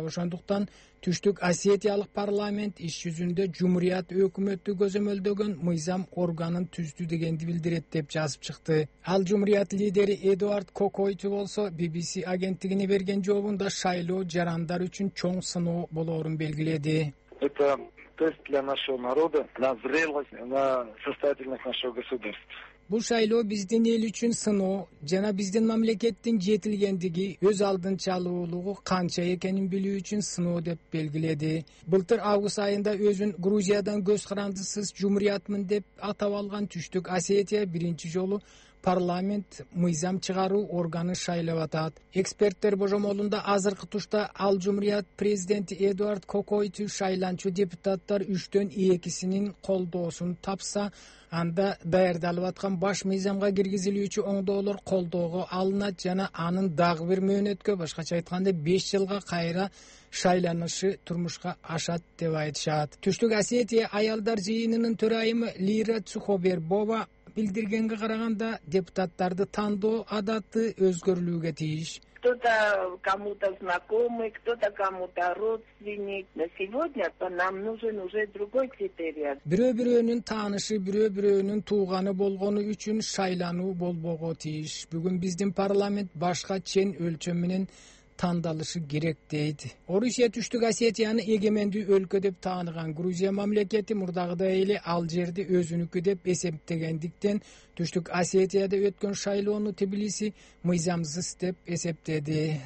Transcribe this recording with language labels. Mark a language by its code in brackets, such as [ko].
[ky] Ошондуктан Түштүк Осетиялык парламент иш жүзүндө жумурият өкмөттү көзөмөлдөгөн мыйзам органын түздү дегенди билдирет деп жазып чыкты. Ал жумурият лидери Эдуард Кокойту болсо BBC агенттигине берген жообунда шайлоо жарандар үчүн чоң сыноо болоорун белгиледи. [ru] Это тест для нашего народа, на зрелость, на состоятельность нашего государства. [ky] Бул шайлоо биздин эл үчүн сыноо жана биздин мамлекеттин жетилгендиги, өз алдынчалуулугу канча экенин билүү үчүн сыноо деп белгиледи. Былтыр август айында өзүн Грузиядан көз карандысыз жумуриятмын деп атап алган Түштүк Осетия биринчи жолу парламент мыйзам чыгаруу органы шайлап атат. Эксперттер божомолунда азыркы тушта ал жумурият президенти Эдуард Кокойту шайланчу депутаттар 3/2 колдоосун тапса, анда даярдалып аткан баш мыйзамга киргизилүүчү оңдоолор колдоого алынат жана анын дагы бир мөөнөткө, башкача айтканда 5 жылга кайра шайланышы турмушка ашат деп айтышат. Түштүк Осетия аялдар жыйынынын төрайымы Лира Цуховербова билдиргенге караганда депутаттарды тандоо адаты өзгөрүлүүгө тийиш. [ru] Кто-то кому-то знакомый, кто-то кому-то родственник. На сегодня нам нужен уже другой критерий. [ky] Бирөө-бирөөнүн таанышы, бирөө-бирөөнүн тууганы болгону үчүн шайлануу болбого тийиш. Бүгүн биздин парламент башка чен өлчөм менен тандалышы керек дейт. Орусия Түштүк Осетияны эгемендүү өлкө деп тааныган Грузия мамлекети мурдагыдай эле ал жерди өзүнүкү деп эсептегендиктен Түштүк Осетияда өткөн шайлоону Тбилиси мыйзамсыз деп эсептеди.